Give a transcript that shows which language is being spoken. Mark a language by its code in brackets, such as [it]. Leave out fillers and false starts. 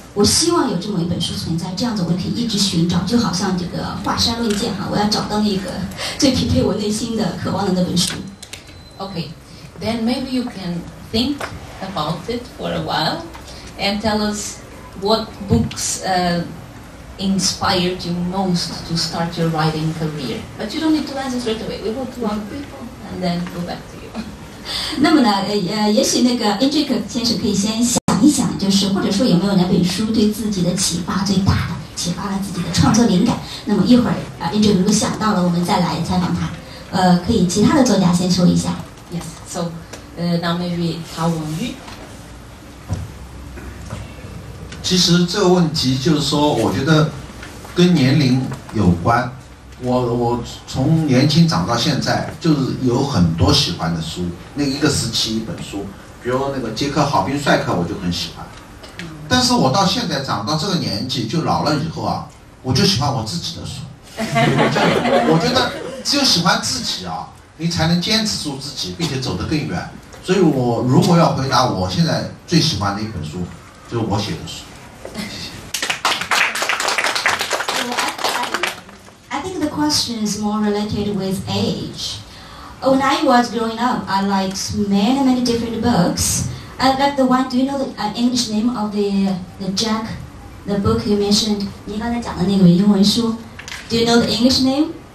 [zh] 我希望有这么一本书存在，这样子我可以一直寻找，就好像这个华山论剑哈，我要找到那个最匹配我内心的渴望的那本书。 [en] Okay, then maybe you can think about it for a while and tell us what books. Inspired you most to start your writing career, but you don't need to answer straight away. We will talk to people and then go back to you. [zh] 那么呢，也许那个 Indrek 先生可以先想一想，就是或者说有没有哪本书对自己的启发最大的，启发了自己的创作灵感。那么一会儿啊 ，Indrek 如果想到了，我们再来采访他。可以其他的作家先说一下。 [en] Yes. So, now maybe Tao Wenyu. [zh] 其实这个问题就是说，我觉得跟年龄有关。我从年轻长到现在，就是有很多喜欢的书，那一个时期一本书，比如那个杰克好兵帅克，我就很喜欢。但是我到现在长到这个年纪，就老了以后啊，我就喜欢我自己的书。我觉得只有喜欢自己啊，你才能坚持住自己，并且走得更远。所以我如果要回答我现在最喜欢的一本书，就是我写的书。 [en] I think the question is more related with age. When I was growing up, I liked many, many different books. I like the one, do you know the English name of the Jack, the book you mentioned? [zh] 你刚才讲的那个英文书 [en] Do you know the English name?